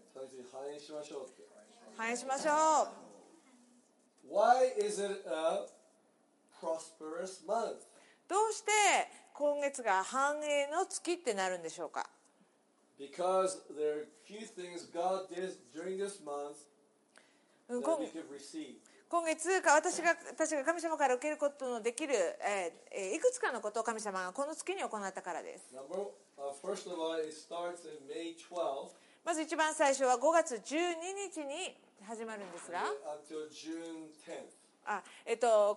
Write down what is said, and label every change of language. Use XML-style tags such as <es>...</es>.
<ja>最初に繁栄しましょうって。繁栄しましょう。</ja> <en>Why is it a prosperous month?</en> <ja>どうして今月が繁栄の月ってなるんでしょうか?</ja> <en>Because there are a few things God did during this month that we could receive.</en> <ja>今月か私が神様から受けることのできる、いくつかのことを神様がこの月に行ったからです。</ja> <en>First of all, it starts in May 12th.</en> <ja>まず一番最初は5月12日に始まるんですが。</ja> <en>Until June 10th.</en>